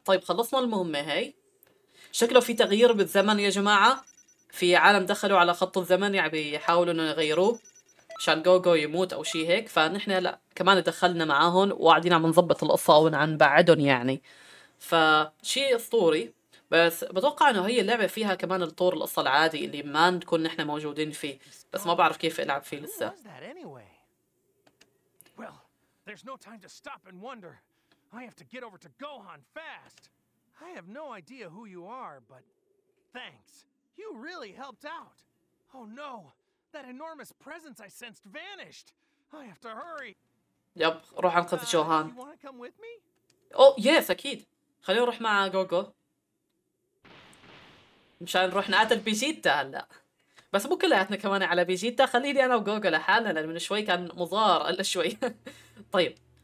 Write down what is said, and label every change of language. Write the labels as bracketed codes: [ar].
[ar] طيب خلصنا المهمة هاي، شكله في تغيير بالزمن يا جماعة، في عالم دخلوا على خط الزمن يعني بيحاولوا انه يغيروه عشان جوجو يموت او شيء هيك. فنحن هلا كمان دخلنا معاهم وقاعدين عم نظبط القصة او نبعدهم يعني، فشيء اسطوري. بس بتوقع انه هي اللعبة فيها كمان الطور القصة العادي اللي ما نكون نحن موجودين فيه، بس ما بعرف كيف العب فيه لسه. [en] Well, there's no time to stop and wonder. I have to get over to Gohan fast. I have no idea who you are, but thanks. You really helped out. Oh no, that enormous presence I sensed vanished. I have to hurry. [ar] Yep, روح انقذ جوهان. [en] You wanna come with me? Oh yes, [ar] أكيد. خلينا نروح مع جوجو. مشان نروح نقاتل بيجيتا هلا. بس مو كلياتنا كمان على بيجيتا، خليني أنا وجوجو لحالنا لأن من شوي كان مضار إلا شوي. طيب.